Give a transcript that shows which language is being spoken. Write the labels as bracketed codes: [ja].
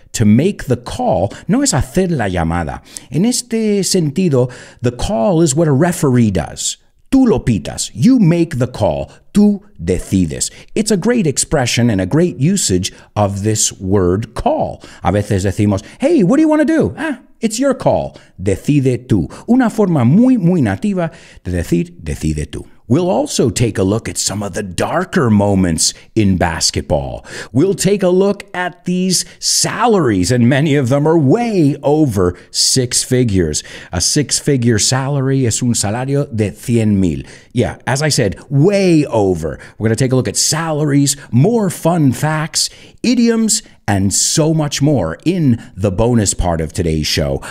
[en] To make the call, [es] no es hacer la llamada. En este sentido, [en] the call is what a referee does. [es] Tú lo pitas. [en] You make the call. [es] Tú decides. [en] It's a great expression and a great usage of this word call. [es] A veces decimos, [en] hey, what do you want to do? Ah, it's your call. [es] Decide tú. Una forma muy, muy nativa de decir decide tú. [en] We'll also take a look at some of the darker moments in basketball. We'll take a look at these salaries, and many of them are way over six figures. A six-figure salary is [es] un salario de 100,000. [en] Yeah, as I said, way over. We're going to take a look at salaries, more fun facts, idioms, and so much more in the bonus part of today's show.